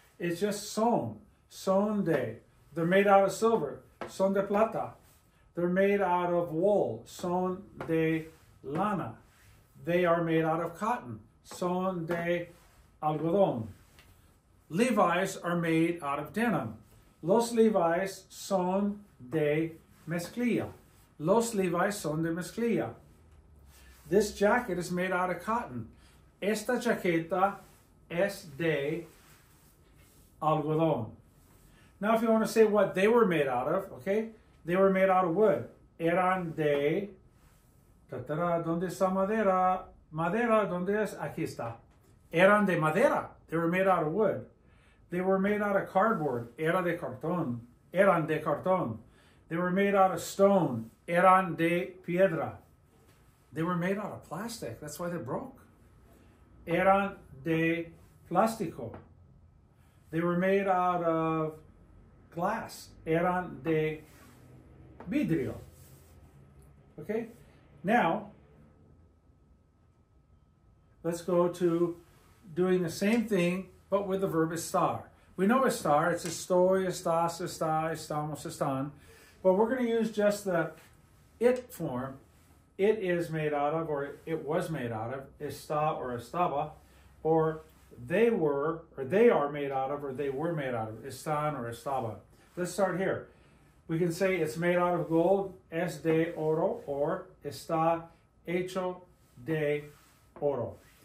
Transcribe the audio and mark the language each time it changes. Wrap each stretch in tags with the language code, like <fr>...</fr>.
<en>It's just son, son de. They're made out of silver,</en> <es>son de plata.</es> <en>They're made out of wool,</en> <es>son de lana.</es> <en>They are made out of cotton,</en> <es>son de algodón.</es> <en>Levi's are made out of denim.</en> <es>Los Levi's son de mezclilla. Los Levi's son de mezclilla.</es> <en>This jacket is made out of cotton.</en> <es>Esta chaqueta es de algodón.</es> <en>Now, if you want to say what they were made out of, okay? They were made out of wood.</en> <es>Eran de... Ta-ta-da, ¿dónde está madera? Madera, ¿dónde es? Aquí está. Eran de madera.</es> <en>They were made out of wood. They were made out of cardboard.</en> <es>Era de cartón. Eran de cartón.</es> <en>They were made out of stone.</en> <es>Eran de piedra.</es> <en>They were made out of plastic. That's why they broke.</en> <es>Eran de plástico.</es> <en>They were made out of glass.</en> <es>Eran de vidrio.</es> <en>Okay? Now, let's go to doing the same thing, but with the verb estar. We know estar. It's</en> <es>estoy, estás, está, estamos, están.</es> <en>But we're going to use just the it form. It is made out of, or it was made out of, está or estaba, or they were, or they are made out of, or they were made out of, están or estaba. Let's start here. We can say it's made out of gold,</en> <es>es de oro,</es> <en>or</en> <es>está hecho de oro.</es>